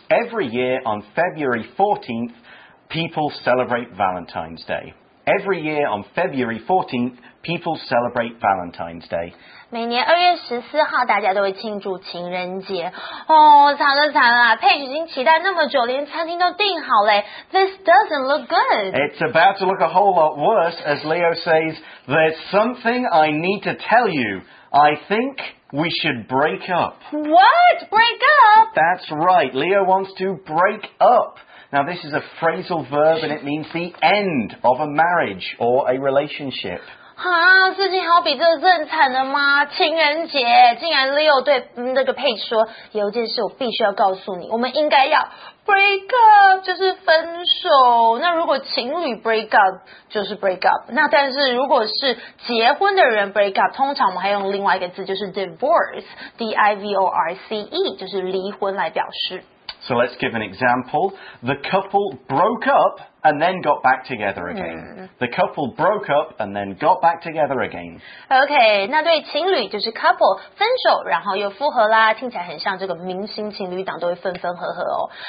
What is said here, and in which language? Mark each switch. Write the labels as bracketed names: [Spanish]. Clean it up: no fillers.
[English] Every year on February 14th, people celebrate Valentine's Day. Every year on February 14th, people celebrate Valentine's Day. [Chinese] 每年2月14号大家都会庆祝情人节。哦惨了惨了 ,Paige 已经期待那么久连餐厅都订好了。 [English] This doesn't look good. It's about to look a whole lot worse as Leo says, there's something I need to tell you. I think we should break up. What? Break up? That's right, Leo wants to break up. Now this is a phrasal verb and it means the end of a marriage or a relationship. [Chinese] 啊，事情好比这更惨的吗？情人节竟然 Leo 对那个 Paige 说，有一件事我必须要告诉你，我们应该要 break up， 就是分手。那如果情侣 break up 就是 break up， 那但是如果是结婚的人 break up， 通常我们还用另外一个字，就是 divorce，D-I-V-O-R-C-E， 就是离婚来表示。 [English] So let's give an example. The couple broke up and then got back together again. The couple broke up and then got back together again. [Chinese] OK, 那对情侣就是 couple, 分手然后又复合啦，听起来很像这个明星情侣档都会分分合合哦。